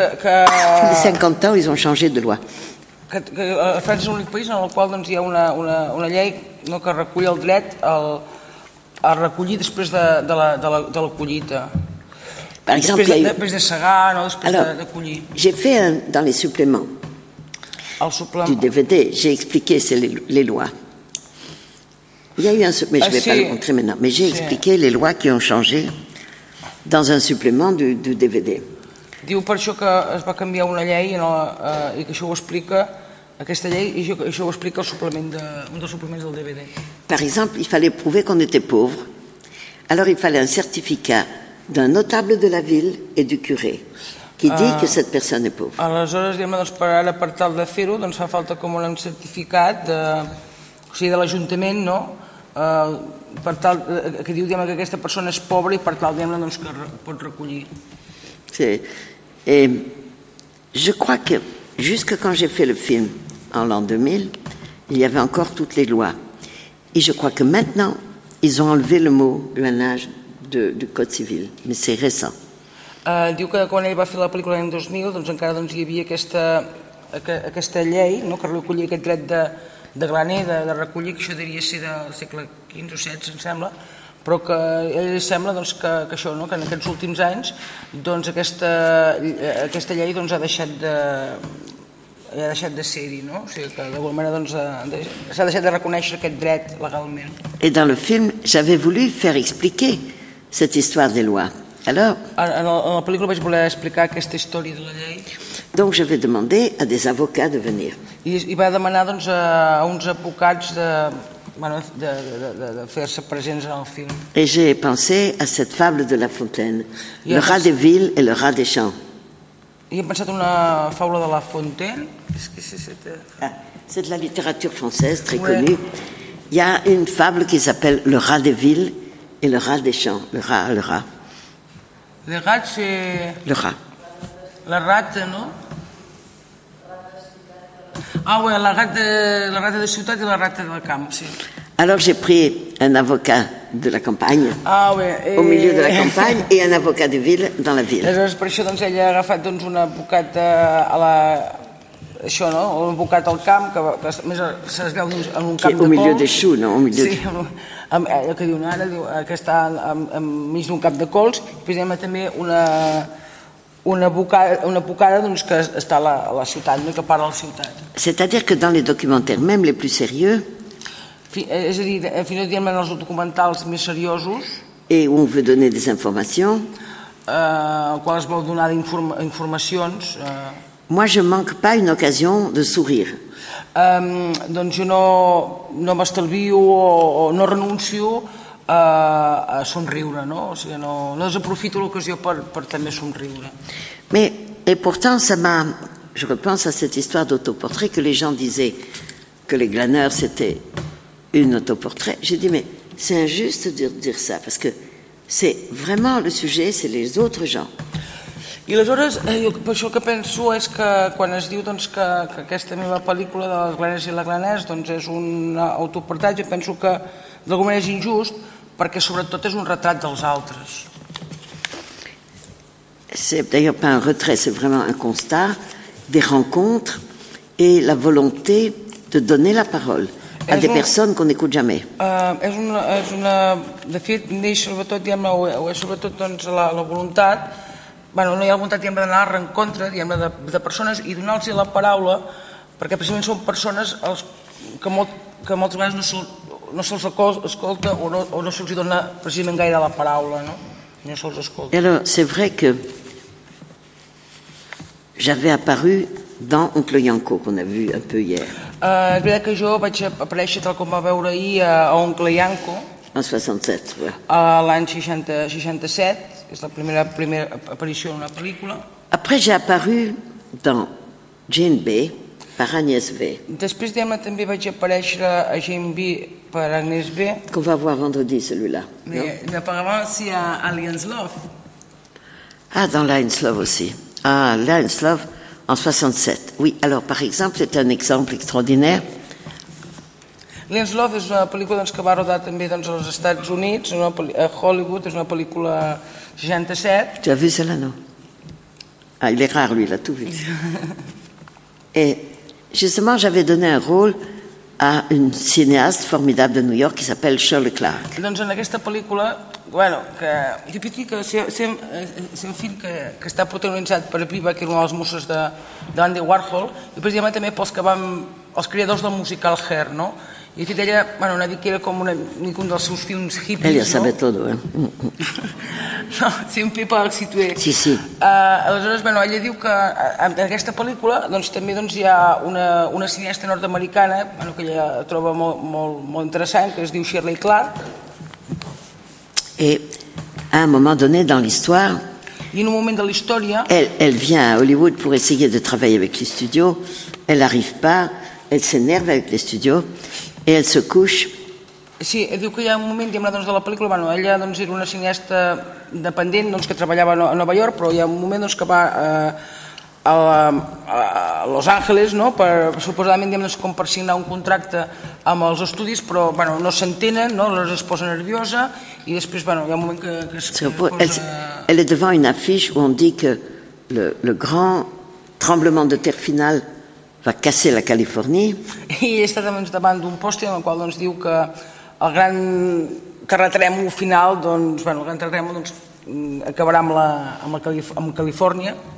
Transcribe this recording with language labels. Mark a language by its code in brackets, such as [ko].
[fr] Les 50 ans, ils ont changé de loi. [ca] Que França és l'únic país en el qual doncs, hi ha una llei, no, que recull el dret al... a recollir després de la collita. Per exemple, després de segar, no? de collir. [fr] J'ai fait dans les suppléments. [ca] El suplement. [fr] Du DVD, j'ai expliqué les lois. Il y a eu un mais je vais pas le montrer maintenant, mais j'ai expliqué les lois qui ont changé dans un supplément du DVD. [ca] Diu per això que es va canviar una llei i que això ho explica aquesta llei i això ho explica un dels suplements del DVD. [fr] Par exemple, il fallait prouver qu'on était pauvre. Alors il fallait un certificat d'un notable de la ville et du curé qui dit que cette personne est pauvre. [ca] Aleshores, diguem-ne, doncs, per tal de fer-ho, doncs fa falta com un certificat de l'Ajuntament, no? per tal que diu, diguem, que aquesta persona és pobra i per tal, diguem, doncs, que pot recollir. Sí. [fr] Je crois que jusque quand j'ai fait le film en l'an 2000, il y avait encore toutes les lois. Et je crois que maintenant, ils ont enlevé le mot glanage du code civil, mais c'est récent. [ca] Diu que quan ell va fer la pel·lícula en 2000, doncs encara doncs, hi havia aquesta llei, no?, que recollia aquest dret de graner, de recollir, que això devia ser del segle XV o XVI, em sembla, però que ell sembla doncs, que això, no?, que en aquests últims anys doncs, aquesta llei doncs, ha deixat de ser-hi, no? O sigui que d'alguna manera doncs, s'ha deixat de reconèixer aquest dret legalment. [fr] Et dans le film, j'avais voulu faire expliquer cette histoire des lois. Alors, [ca] en la pel·lícula vaig voler explicar aquesta història de la llei. [fr] Donc je vais demander à des avocats de venir. [ca] I va demanar doncs, a uns advocats de fer-se presents en el film. [fr] Et j'ai pensé à cette fable de La Fontaine, le rat des villes et le rat des champs. [ca] I he pensat una faula de La Fontaine. [fr] C'est de la littérature française très connue. Il y a une fable qui s'appelle Le rat des villes et le rat des champs. Le rat. Le rat, c'est... Le rat. [ca] La rata, no? [fr] Ah, ouais, [ca] la rata de ciutat i la rata del camp, sí. [fr] Alors j'ai pris un avocat de la campagne, ah, ouais, au milieu de la campagne et un avocat de ville dans la ville. [ca] Aleshores, per això, doncs, ell ha agafat doncs, un advocat a la... Això, no? Un advocat al camp, que a més se'ls veu doncs, en un que camp de [fr] pols. Au milieu de xou, no? Au milieu [ca] sí, de... Allò que diu ara, que està enmig d'un cap de cols, i també una bocada doncs, que està a la ciutat, no? Que parla la ciutat. [fr] C'est-à-dire que dans les documentaires, même les plus sérieux... [ca] És a dir, fins i tot en els documentals més seriosos... [fr] Et on veut donner des informations... [ca] Quan es vol donar informacions... [fr] Moi, je manque pas une occasion de sourire. [ca] Doncs jo no m'estalvio o no renuncio a somriure, no? O sigui, no desaprofito l'ocasió per també somriure. [fr] Mais, et pourtant, ça m'a... Je repense à cette histoire d'autoportrait que les gens disaient que les glaneurs, c'était une autoportrait. J'ai dit, mais c'est injuste de dire ça, parce que c'est vraiment le sujet, c'est les autres gens. I aleshores, jo, per això el que penso és que quan es diu doncs, que aquesta meva pel·lícula de les glaneres i la glaners doncs, és un autoportrait, jo penso que d'alguna manera és injust perquè sobretot és un retrat dels altres. C'est d'ailleurs pas un retrait, c'est vraiment un constat des rencontres et la volonté de donner la parole à des personnes qu'on n'écoute jamais. [ca] És una... De fet, neix sobretot, diguem, o és sobretot doncs, la voluntat. Bueno, no hi ha voluntat d'anar a reencontre de persones i donar-los la paraula perquè precisament són persones que moltes vegades no se'ls escolta o no se'ls dona precisament gaire la paraula, no? No se'ls escolta. [fr] Alors, c'est vrai que j'avais apparu dans Oncle Yanko, qu'on a vu un peu hier. [ca] És veritat que jo vaig aparèixer tal com va veure ahir a Oncle Yanko. [fr] En 67, oui. [ca] L'any 67. [fr] C'est la première apparition dans la pellicule. Après, j'ai apparu dans Jane B. par Agnès V. [ca] Després, diguem-ne, també vaig aparèixer a Jane B. [fr] par Agnès V. Qu'on va voir vendredi, celui-là. Mais apparemment, c'est à Alliance Love. Ah, dans Alliance Love aussi. Ah, Alliance Love en 67. Oui, alors, par exemple, c'est un exemple extraordinaire. [ca] Alliance Love és una pel·lícula doncs, que va rodar també doncs, als Estats Units, a Hollywood, és una pel·lícula 67. [fr] Tu as vu cela, no? Ah, il est rare, lui, il a tout vu. Et justement, j'avais donné un rôle à une cinéaste formidable de New York qui s'appelle Shirley Clarke. [ca] Doncs en aquesta pel·lícula, bueno, que jo pensi que és un film que està protagonitzat per Viva, que era una de les mosses d'Andy Warhol, i per exemple també pels que vam... els creadors del musical Hair, no? I fet ella, bueno, una dica era com un dels seus films hippies, [es] Ella sabe todo, eh? No, siempre para el situé. Sí, sí. [ca] Aleshores, bueno, ella diu que en aquesta pel·lícula doncs, també doncs, hi ha una cineasta nord-americana bueno, que ella troba molt, molt, molt interessant, que es diu Shirley Clarke. [fr] Et à un moment donné dans l'histoire... [ca] I en un moment de la història... [fr] Elle vient a Hollywood pour essayer de travailler avec les studios, elle n'arrive pas, elle s'énerve avec les studios... Et elle se couche [ca] Sí, diu que hi ha un moment, diem la dona de la pel·lícula, bueno, ella doncs, era una cineasta dependent doncs, que treballava a Nova York, però hi ha un moment doncs, que va a Los Angeles, no? Per, suposadament diem, doncs, com per signar un contracte amb els estudis, però bueno, no s'entenen, no? Aleshores es posa nerviosa i després bueno, hi ha un moment que es, so, es posa... [fr] Elle est devant une affiche où on dit que le grand tremblement de terre final va casser la Californie. [ca] I ella està davant d'un pòster en el qual doncs, diu que el gran terratrèmol final, doncs, bueno, el gran terratrèmol doncs, acabarà amb la, amb la amb Califòrnia.